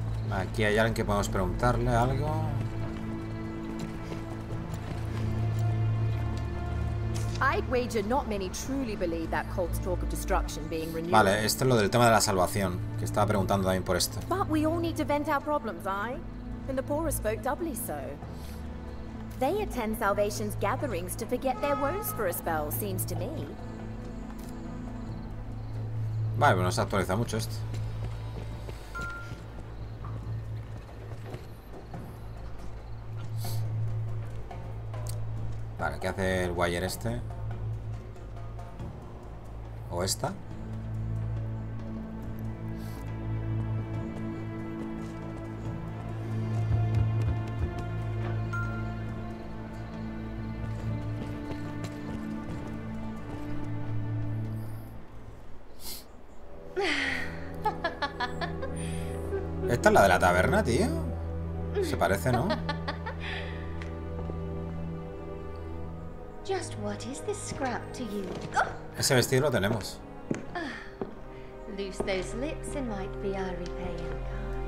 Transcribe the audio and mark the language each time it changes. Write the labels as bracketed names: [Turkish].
[Spanish] Aquí hay alguien que podemos preguntarle algo. Vale, esto es lo del tema de la salvación, que estaba preguntando también por esto. [English] But we all need to vent our problems, aye? And the poorest folk doubly so. They attend Salvation's gatherings to forget their woes for a spell, seems to me. [Spanish] Vale, pero no se actualiza mucho esto. Vale. qué hace el wire este. O esta. Esta es la de la taberna, tío. Se parece, ¿no? [English] Just what is this scrap to you? [Spanish] Ese vestido lo tenemos. [English] Loose those lips and might be our repay in kind.